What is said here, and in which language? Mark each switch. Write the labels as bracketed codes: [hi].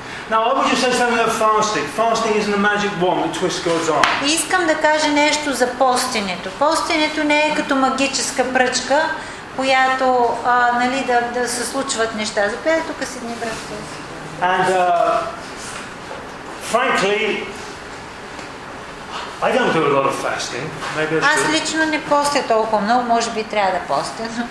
[en] Now I would just say something about fasting. Fasting isn't a magic wand that twists God's arm. [bg] Искам да кажа нещо за постенето. Постенето не е като магическа пръчка, която, нали, да се случват неща. Запомни тука си дни брат. [en] And frankly, I don't do a lot of fasting. Maybe I [bg] Аз лично не постя толкова много, може би трябва да постя.